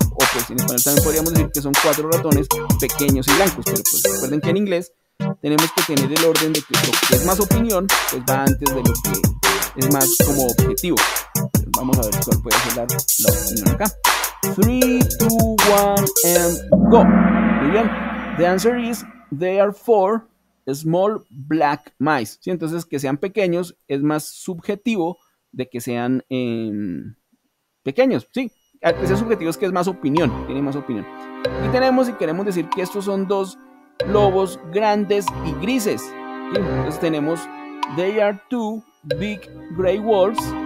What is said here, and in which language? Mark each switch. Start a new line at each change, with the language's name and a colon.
Spanish: O pues en español también podríamos decir que son cuatro ratones pequeños y blancos. Pero pues recuerden que en inglés tenemos que tener el orden de que lo que es más opinión, pues va antes de lo que es más como objetivo. Vamos a ver cuál puede ser la opinión acá.
English: 3, 2, 1, and go.
Spanish: Muy bien.
English: The answer is, they are four small black mice.
Spanish: Sí, entonces, que sean pequeños es más subjetivo de que sean pequeños. Sí, ese subjetivo es que es más opinión. Tiene más opinión. Aquí tenemos y queremos decir que estos son dos lobos grandes y grises. ¿Sí? Entonces tenemos,
English: they are two big gray wolves.